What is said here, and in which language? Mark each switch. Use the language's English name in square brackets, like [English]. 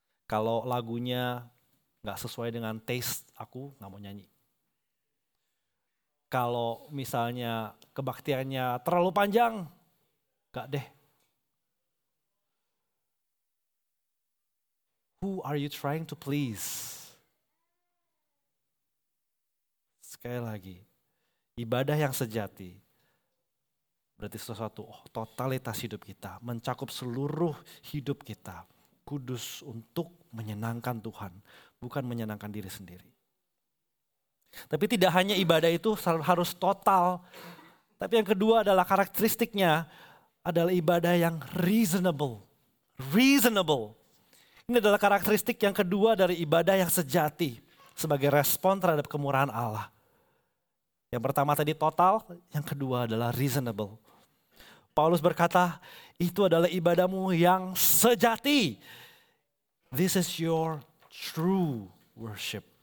[Indonesian] Kalau lagunya gak sesuai dengan taste, aku gak mau nyanyi. Kalau misalnya kebaktiannya terlalu panjang, gak deh. [English] Who are you trying to please? [Indonesian] Sekali lagi, ibadah yang sejati Berarti sesuatu totalitas hidup kita, mencakup seluruh hidup kita, kudus untuk menyenangkan Tuhan, bukan menyenangkan diri sendiri. Tapi tidak hanya ibadah itu harus total, tapi yang kedua adalah karakteristiknya adalah ibadah yang reasonable. Reasonable. Ini adalah karakteristik yang kedua dari ibadah yang sejati sebagai respon terhadap kemurahan Allah. Yang pertama tadi total, yang kedua adalah reasonable. Paulus berkata, itu adalah ibadahmu yang sejati. [English] This is your true worship.